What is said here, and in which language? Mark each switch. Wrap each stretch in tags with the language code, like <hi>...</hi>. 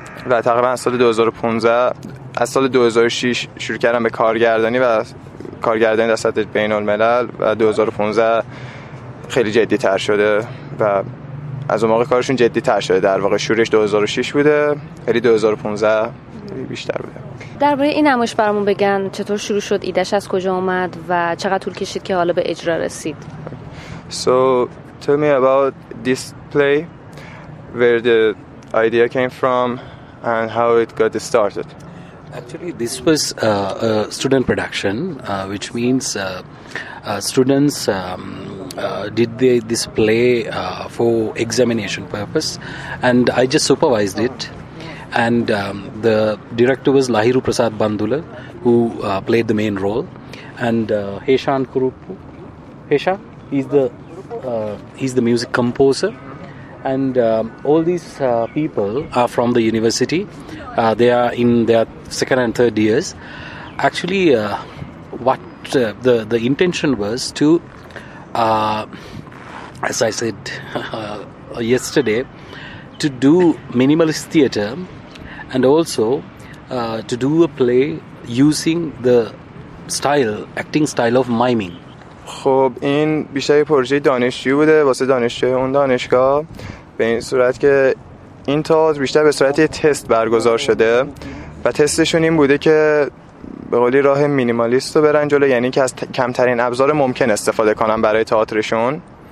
<fa>و تقریبا از سال 2015 از سال 2006 شروع کردن به کارگردانی و کارگردانی در سطح بین الملل و 2015 خیلی جدی تر شده و از اون موقع کارشون جدی تر شده. در واقع شروعش 2006 بوده ولی 2015 بیشتر بوده. درباره این نمایش برامون بگن، چطور شروع شد، ایدهش از کجا اومد و چقدر طول کشید که حالا به اجرا رسید؟</fa> <en>So tell me about this play, where the idea came from and how it got started. Actually this was a student production, which means students did this play for examination purpose, and I just supervised it. And the director was Lahiru Prasad Bandula, who played the main role, and Heshan Kurupu. Heshan, he's the music composer, and all these people are from the university. They are in their second and third years. Actually, the intention was to, as I said yesterday, to do minimalist theater and also to do a play using the style, acting style of miming.</en> <fa>خب این بیشتر یه پروژه دانشجویی بوده واسه دانشجوی اون دانشگاه، به این صورت که این تئاتر بیشتر به صورت یه تست برگزار شده و تستشون این بوده که به قولی راه مینیمالیست رو برن جلو، یعنی که از کمترین ابزار ممکن استفاده کنن برای تئاترشون.</fa>